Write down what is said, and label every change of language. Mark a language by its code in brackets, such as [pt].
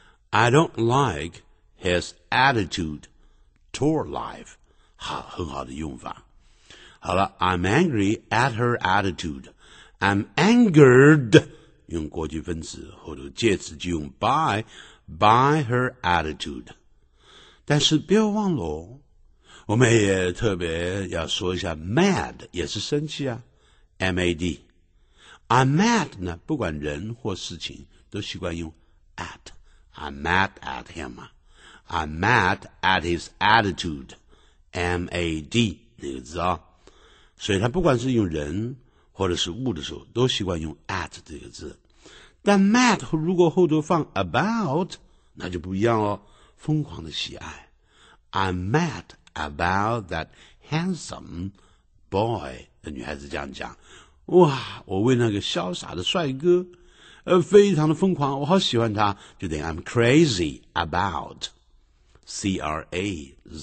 [en] I don't like his attitude toward life， [zh] 好，很好的用法。 [en] 好了 ，I'm angry at her attitude， I'm angered， [zh] 用过去分词后头介词就用 [en] by her attitude。 [zh] 但是不要忘了哦，我们也特别要说一下 mad 也是生气啊 ，mad。 I'm mad 呢，不管人或事情，都习惯用 at。 [en] I'm mad at him 啊 ，I'm mad at his attitude。 [zh] mad 那个字啊，所以他不管是用人或者是物的时候，都习惯用 at 这个字。但 mad 如果后头放 about， 那就不一样哦。疯狂的喜爱 [en] I'm mad about that handsome boy [zh] 的女孩子这样讲哇我为那个潇洒的帅哥非常的疯狂我好喜欢他就等于 [en] I'm crazy about [zh] C-R-A-Z-Y